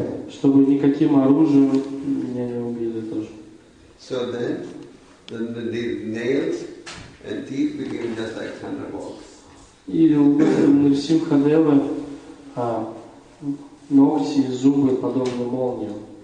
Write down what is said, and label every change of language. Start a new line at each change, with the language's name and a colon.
Russian: Чтобы никаким оружием меня не убили тоже.
English: So then the nails and teeth became just like thunderbolts.
Russian: И Нарсимха Дева, ногти и зубы подобны молниям.